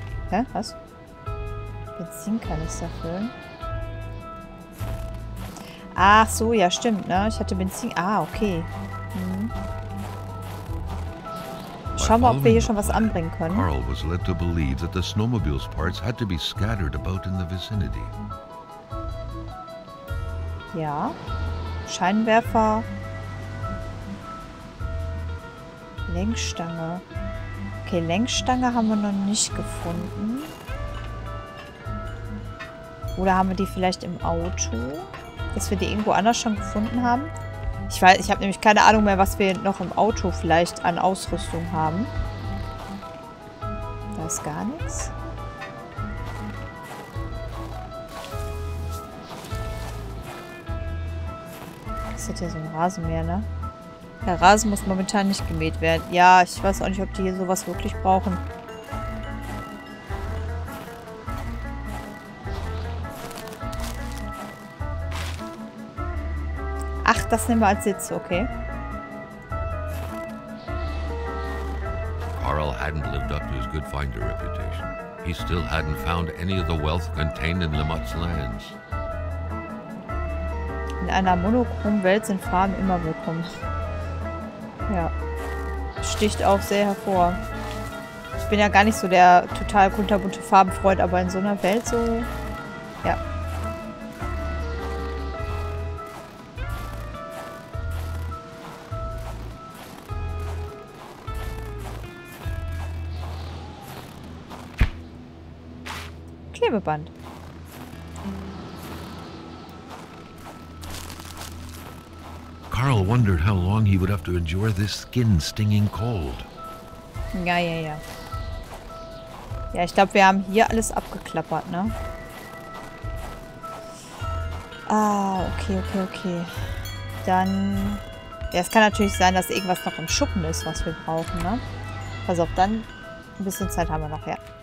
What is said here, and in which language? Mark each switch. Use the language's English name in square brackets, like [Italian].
[German] Hä? Was? Benzin kann ich da füllen. Ach so, ja stimmt, ne? Ich hatte Benzin... Ah, okay. Hm. Schauen wir, ob wir hier schon was anbringen können. [English] Carl was led to believe that the snowmobile's parts had to be scattered about in the vicinity. [German] Ja. Scheinwerfer. Lenkstange. Okay, Lenkstange haben wir noch nicht gefunden. Oder haben wir die vielleicht im Auto? Dass wir die irgendwo anders schon gefunden haben? Ich weiß, ich habe nämlich keine Ahnung mehr, was wir noch im Auto vielleicht an Ausrüstung haben. Da ist gar nichts. Das ist ja so ein Rasenmäher, ne? Der Rasen muss momentan nicht gemäht werden. Ja, ich weiß auch nicht, ob die hier sowas wirklich brauchen. Ach, das nehmen wir als Sitz, okay. [English] Carl hadn't lived up to his good finder reputation. He still hadn't found any of the wealth contained in Lamotte's lands. [German] In einer monochromen Welt sind Farben immer willkommen. Ja, sticht auch sehr hervor. Ich bin ja gar nicht so der total kunterbunte Farbenfreund, aber in so einer Welt so... Ja. Klebeband. Mhm. [English] Carl wondered how long he would have to endure this skin-stinging cold. [German] Ja, ja, ja. Ja, ich glaube, wir haben hier alles abgeklappert, ne? Ah, okay, okay, okay. Dann... Ja, es kann natürlich sein, dass irgendwas noch im Schuppen ist, was wir brauchen, ne? Pass auf, dann... Ein bisschen Zeit haben wir noch, ja.